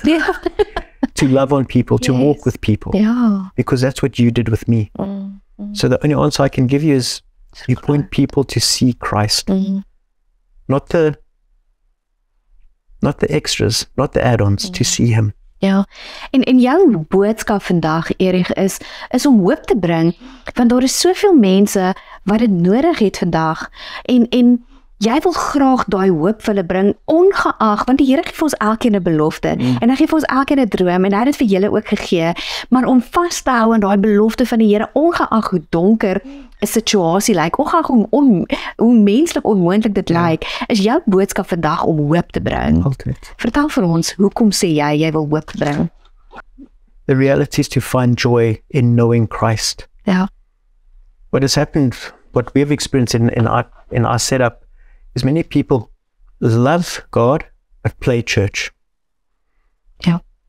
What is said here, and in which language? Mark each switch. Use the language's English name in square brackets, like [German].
[English] Yeah. To love on people, to, yes, walk with people. Yeah. Because that's what you did with me. Mm. Mm. So the only answer I can give you is, you point people to see Christ. Mm. Not the extras, not the add-ons, to see him. [Afrikaans] Ja, en jou boodskap vandag, Erich, is om hoop te bring, want daar is soveel mense wat dit nodig het vandag, en jy wil graag die hoop vir hulle bring, ongeag, want die Here gee vir ons elkeen 'n belofte, en hy gee vir ons elkeen 'n droom, en hy het dit vir julle ook gegee, maar om vast te hou aan die belofte van die Here, ongeag hoe donker een situasie lyk, ongeag hoe menslik onmoontlik dit lyk, is jou boodskap vandag om hoop te bring. Altijd. Vertel vir ons, hoekom sê jy wil hoop bring? [English] The reality is to find joy in knowing Christ. [Afrikaans] Ja. [English] What has happened, what we have experienced in our setup, is many people love God but play church. Yeah.